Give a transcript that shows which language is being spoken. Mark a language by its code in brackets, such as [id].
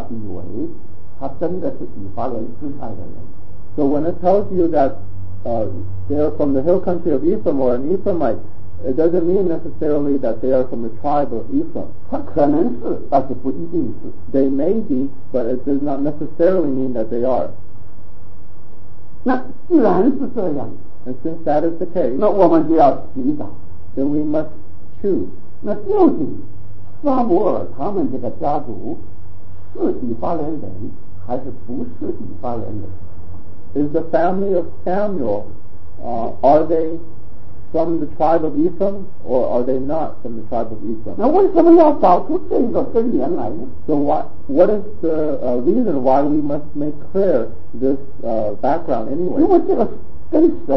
[zh] 那所以在这里你看到以法莲人的时候，你就千万不要以为他真的是以法莲支派的人。 [en] So when it tells you that they are from the hill country of Ephraim or an Ephraimite, it doesn't mean necessarily that they are from the tribe of Ephraim. [zh] 他可能是，但是不一定是。 [en] They may be, but it does not necessarily mean that they are. [zh] 那既然是这样， [en] And since that is the case, [zh] 那我们就要寻找。 [en] Then we must choose. [zh] 那究竟撒母耳他们这个家族是以法莲人还是不是以法莲人？ [en] Is the family of Samuel, are they from the tribe of Ephraim, or are they not from the tribe of Ephraim? [zh] 那为什么要找出这个根源来呢？ [en] So what is the reason why we must make clear this background anyway?